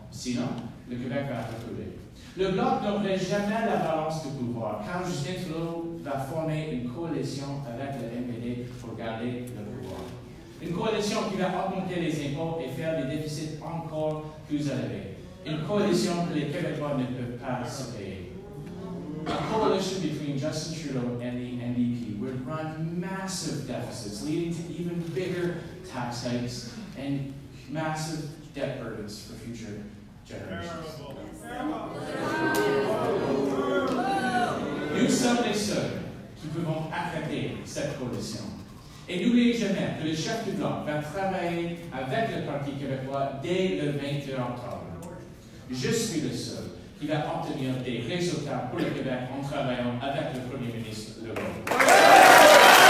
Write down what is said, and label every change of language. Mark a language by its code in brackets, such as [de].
[fr] Sinon, le Québec va reculer. Le Bloc n'aurait jamais la balance de pouvoir, car Justin Trudeau va former une coalition avec le NPD pour garder le pouvoir. Une coalition qui va augmenter les impôts et faire des déficits encore plus élevés. Une coalition que les Québécois ne peuvent pas se payer. [en] A coalition between Justin Trudeau and the NDP would run massive deficits, leading to even bigger tax hikes and massive debt burdens for future generations. [fr] Nous sommes les seuls qui pouvons attraper cette coalition. Et n'oubliez jamais que le chef du Bloc va travailler avec le Parti québécois dès le 21 octobre. Je suis le seul qui va obtenir des résultats pour le Québec en travaillant avec le Premier ministre Legault.